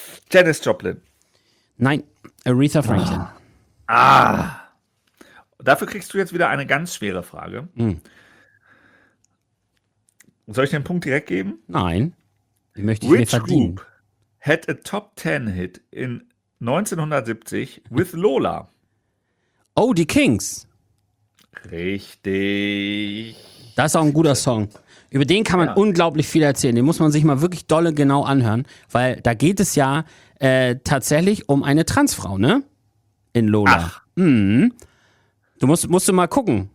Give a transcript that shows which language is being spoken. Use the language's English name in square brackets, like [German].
[German] Janis Joplin. Nein, Aretha Franklin. Ah. Dafür kriegst du jetzt wieder eine ganz schwere Frage. Hm. Soll ich den Punkt direkt geben? Nein. Ich möchte ihn mir verdienen. [English] Which group had a top 10 hit in 1970 with Lola. [German] Oh, die Kings. Richtig. Das ist auch ein guter Song. Über den kann man ja unglaublich viel erzählen. Den muss man sich mal wirklich dolle genau anhören, weil da geht es ja tatsächlich um eine Transfrau, ne? In Lola. Ach. Mhm. Du musst du mal gucken.